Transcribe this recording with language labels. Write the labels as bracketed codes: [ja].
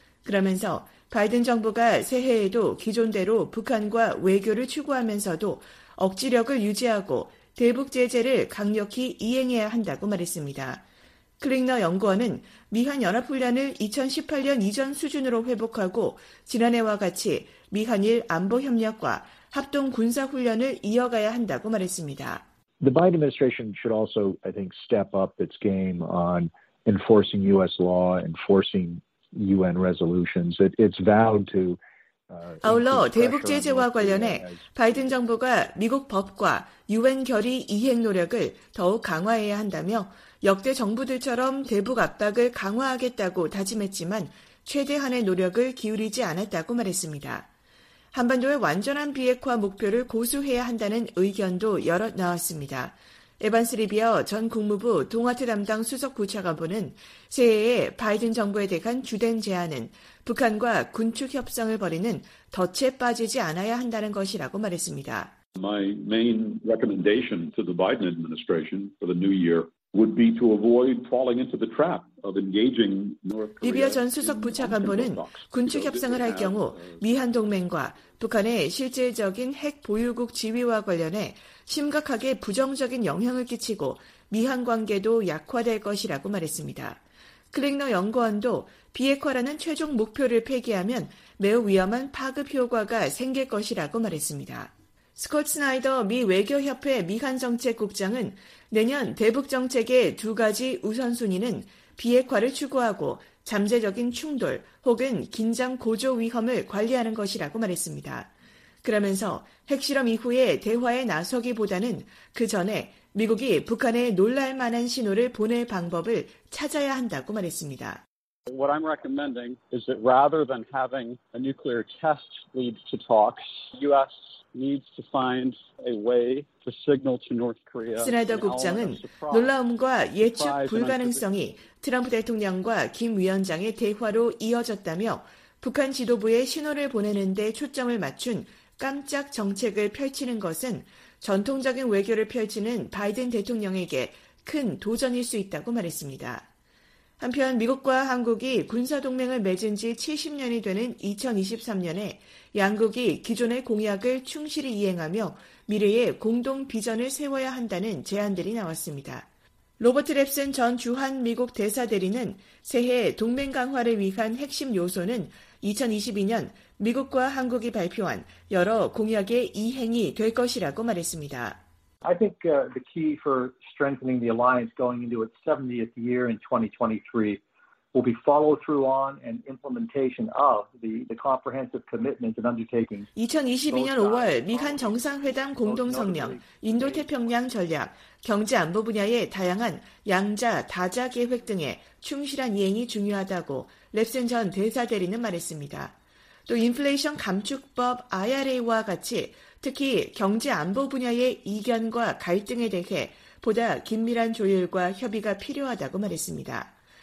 [ko] 그러면서 바이든 정부가 새해에도 기존대로 북한과 외교를 추구하면서도 억지력을 유지하고 대북 제재를 강력히 이행해야 한다고 말했습니다. 클링너 연구원은 미한 연합훈련을 2018년 이전 수준으로 회복하고 지난해와 같이 미한일 안보협력과 합동 군사훈련을 이어가야 한다고 말했습니다. [en] The Biden administration should also, I think, step up its game on enforcing U.S. law, enforcing UN resolutions. It's vowed to. [ko] 아울러 대북 제재와 관련해 바이든 정부가 미국 법과 유엔 결의 이행 노력을 더욱 강화해야 한다며 역대 정부들처럼 대북 압박을 강화하겠다고 다짐했지만 최대한의 노력을 기울이지 않았다고 말했습니다. 한반도의 완전한 비핵화 목표를 고수해야 한다는 의견도 여럿 나왔습니다. 에반스 리비어 전 국무부 동아트 담당 수석부차관보는 새해에 바이든 정부에 대한 주된 제안은 북한과 군축 협상을 벌이는 덫에 빠지지 않아야 한다는 것이라고 말했습니다. [en] My main recommendation to the Biden administration for the new year would be to avoid falling into the trap of engaging North Korea. [ko] 리비어 전 수석 부차관보는 군축 협상을 할 경우 미한 동맹과 북한의 실질적인 핵 보유국 지위와 관련해 심각하게 부정적인 영향을 끼치고 미한 관계도 약화될 것이라고 말했습니다. 클링너 연구원도 비핵화라는 최종 목표를 폐기하면 매우 위험한 파급 효과가 생길 것이라고 말했습니다. 스콧 스나이더 미 외교협회 미한정책국장은 내년 대북정책의 두 가지 우선순위는 비핵화를 추구하고 잠재적인 충돌 혹은 긴장 고조 위험을 관리하는 것이라고 말했습니다. 그러면서 핵실험 이후에 대화에 나서기보다는 그 전에 미국이 북한에 놀랄 만한 신호를 보낼 방법을 찾아야 한다고 말했습니다. [en] What I'm recommending is that rather than having a nuclear test lead to talks, U.S. needs to find a way to signal to North Korea. [ko] 스나이더 국장은 놀라움과 예측 불가능성이 트럼프 대통령과 김 위원장의 대화로 이어졌다며 북한 지도부에 신호를 보내는 데 초점을 맞춘 깜짝 정책을 펼치는 것은 전통적인 외교를 펼치는 바이든 대통령에게 큰 도전일 수 있다고 말했습니다. 한편 미국과 한국이 군사동맹을 맺은 지 70년이 되는 2023년에 양국이 기존의 공약을 충실히 이행하며 미래의 공동 비전을 세워야 한다는 제안들이 나왔습니다. 로버트 랩슨 전 주한 미국 대사대리는 새해 동맹 강화를 위한 핵심 요소는 2022년 미국과 한국이 발표한 여러 공약의 이행이 될 것이라고 말했습니다. I think the key for strengthening the alliance going into its 70th year in 2023 will be follow through on and implementation of the comprehensive commitments and undertakings. 2022년 5월 미한 정상회담 공동성명, 인도태평양 전략, 경제 안보 분야의 다양한 양자 다자 계획 등의 충실한 이행이 중요하다고 랩슨 전 대사대리는 말했습니다. 또 인플레이션 감축법 IRA와 같이 특히 경제 안보 분야의 이견과 갈등에 대해 보다 긴밀한 조율과 협의가 필요하다고 말했습니다.